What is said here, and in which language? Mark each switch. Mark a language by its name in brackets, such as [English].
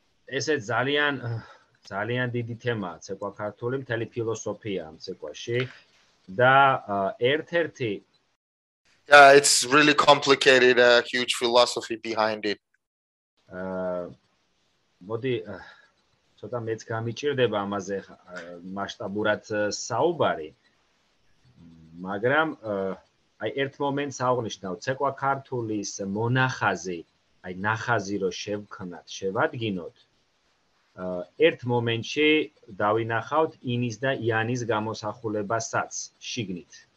[Georgian] ესე ძალიან დიდი თემაა ცეკვა ქართული, მთელი ფილოსოფია ამ ცეკვაში და ერთ-ერთი [English] Yeah, it's really complicated, a huge philosophy behind it. [Georgian] მოდი ცოტა მეც გამიჭირდება ამაზე მასშტაბურად საუბარი, მაგრამ აი ერთ მომენტს აღნიშნავ, ცეკვა ქართულის მონახაზი, აი ნახაზი რო შევქნათ, შევადგინოთ, ერთ მომენტში დავინახავთ ინის და იანის გამოსახულებასაც შიგნით.